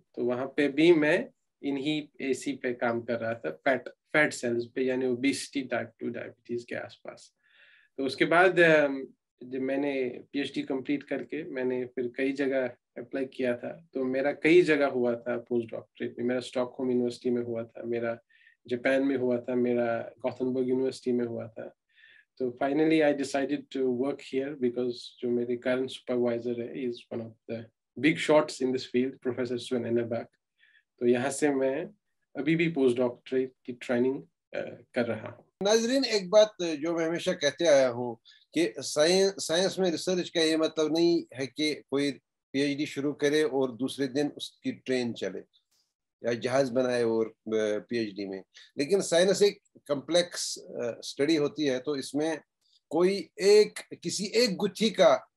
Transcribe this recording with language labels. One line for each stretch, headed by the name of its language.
Urdu: تو وہاں پہ بھی میں انہیں اے سی پہ کام کر رہا تھا, فیٹ سیلز پہ, یعنی اوبیسٹی ٹائپ ٹو ڈائبٹیز کے آس پاس. تو اس کے بعد جب میں نے پی ایچ ڈی کمپلیٹ کر کے میں نے پھر کئی جگہ اپلائی کیا تھا, تو میرا کئی جگہ ہوا تھا پوسٹ ڈاکٹریٹ میں, میرا اسٹاک ہوم یونیورسٹی میں ہوا تھا, میرا Japan mein hua tha, mera Gothenburg University mein hua tha.
English: So finally, I decided to work here because
Urdu: jo mere current supervisor hai,
English: is one of the big shots in this field, Professor Sven Ennerbach.
Urdu: So yahan se main abhi bhi postdoctorate ki training kar raha hu. ناظرین ایک بات جو میں ہمیشہ کہتے آیا ہوں کہ سائنس میں ریسرچ کا یہ مطلب نہیں ہے کہ کوئی پی ایچ ڈی شروع کرے اور دوسرے دن اس کی ٹرین چلے یا جہاز بنائے اور پی ایچ ڈی میں لیکن سائنس ایک کمپلیکس اسٹڈی ہوتی ہے تو اس میں کوئی ایک کسی ایک گتھی کا